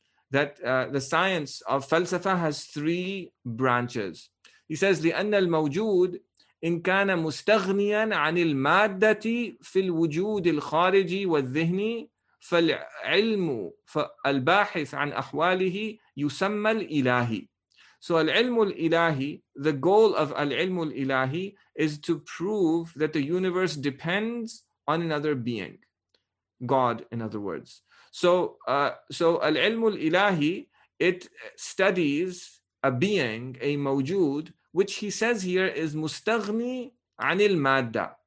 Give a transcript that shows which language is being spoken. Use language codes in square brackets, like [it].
[en] the science of falsafa has three branches. He says, [ar] لِأَنَّ الْمَوْجُودِ إن كان مستغنيا عن المادة في الوجود الخارجي والذهني فالعلم فالباحث عن أحواله يسمى الإلهي. [en] So [ar] العلم الإلهي, [en] the goal of العلم الإلهي is to prove that the universe depends on another being, God, in other words. So [ar] العلم الإلهي, [en] it studies a being, a موجود, which he says here is [ar] مستغني عن المادة.